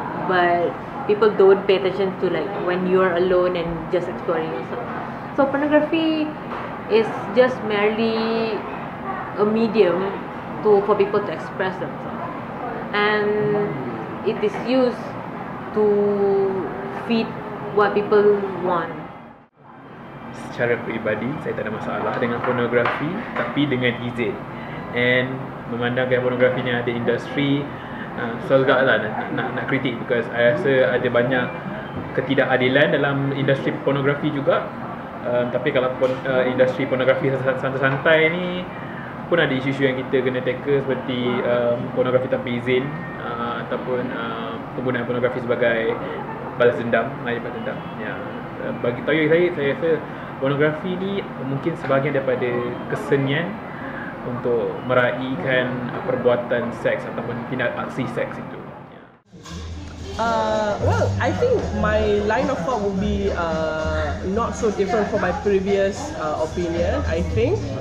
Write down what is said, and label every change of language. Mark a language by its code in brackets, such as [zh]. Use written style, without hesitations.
[en] But people don't pay attention to like when you're alone and just exploring yourself. So pornography is just merely a medium for people to express themselves. And it is used to feed what people want. [ms] Secara peribadi, saya tak ada masalah dengan pornografi, tapi dengan izin. And memandangkan pornografi ni ada industri, selagalah nak kritik, because saya rasa ada banyak ketidakadilan dalam industri pornografi juga. Tapi kalau industri pornografi santai-santai ni, pun ada isu-isu yang kita kena tackle, seperti pornografi tanpa izin ataupun penggunaan pornografi sebagai balas dendam. Ya, bagi tahu saya rasa pornografi ni mungkin sebahagian daripada kesenian untuk meraihkan perbuatan seks ataupun tindak aksi seks itu. [en] Well, I think my line of thought will be not so different from my previous opinion, I think.